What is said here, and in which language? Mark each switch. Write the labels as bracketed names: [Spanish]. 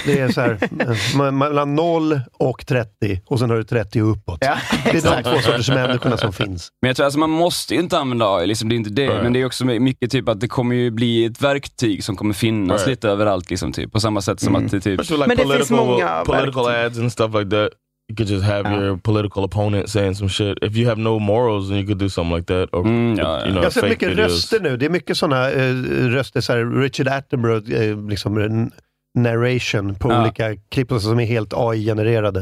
[Swedish] Det är så här, mellan 0 och 30, och sen har du 30 uppåt. Ja, det är de två sorters människorna som finns. Men jag tror att man måste ju inte använda AI, liksom, det är inte det. [English] Right. [Swedish] Men det är också mycket typ att det kommer ju bli ett verktyg som kommer finnas lite överallt. Liksom, typ, på samma sätt som att det typ... [English] Like, [Swedish] men det finns många [English] political ads and stuff like that. You could just have your political opponent saying some shit. If you have no morals, then you could do something like that. Or, you know, [Swedish] jag ser mycket [English] videos. [Swedish] Röster nu. Det är mycket såna röster, så här Richard Attenborough, liksom narration på olika klipp som är helt AI-genererade.